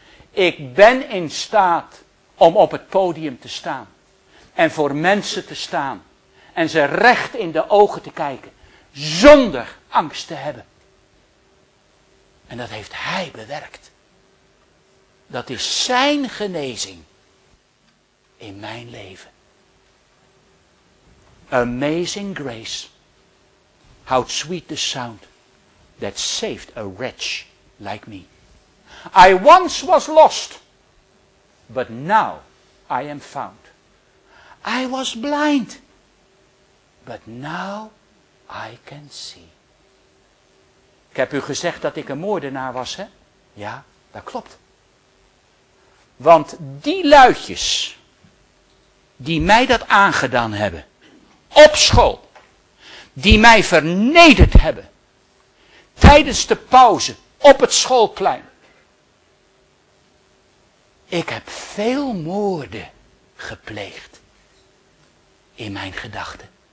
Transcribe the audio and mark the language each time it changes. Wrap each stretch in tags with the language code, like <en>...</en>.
<nl>Ik ben in staat om op het podium te staan en voor mensen te staan en ze recht in de ogen te kijken zonder angst te hebben. En dat heeft hij bewerkt. Dat is zijn genezing in mijn leven.</nl> <en>Amazing grace, how sweet the sound that saved a wretch like me. I once was lost, but now I am found. I was blind, but now I can see.</en> <nl>Ik heb u gezegd dat ik een moordenaar was, hè? Ja, dat klopt. Want die luidjes die mij dat aangedaan hebben, op school, die mij vernederd hebben, tijdens de pauze op het schoolplein, ik heb veel moorden gepleegd in mijn gedachten.</nl>